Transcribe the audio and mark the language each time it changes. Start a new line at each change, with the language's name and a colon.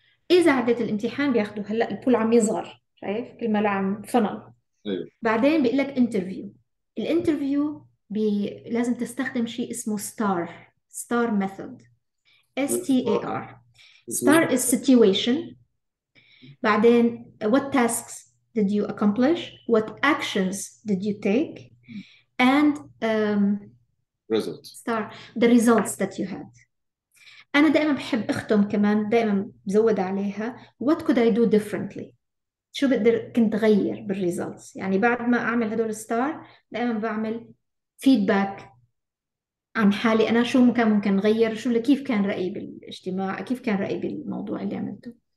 Arabic: اذا عديت الامتحان بياخذوا هلا البول عم يصغر، شايف كل ما عم فنل. ايوه بعدين بيقول لك انترفيو، الانترفيو لازم تستخدم شيء اسمه ستار، ستار ميثود، STAR.
English: STAR is situation. بعدين what tasks did you accomplish? What actions did you take? And result STAR the results that you had.
Arabic: أنا دائما بحب أختم كمان، دائما بزود عليها
English: what could I do differently؟
Arabic: شو بقدر كنت أغير بالresults؟ يعني بعد ما أعمل هدول STAR دائما بعمل feedback عن حالي انا، شو كان ممكن نغير، شو اللي كيف كان رايي بالاجتماع، كيف كان رايي بالموضوع اللي عملته.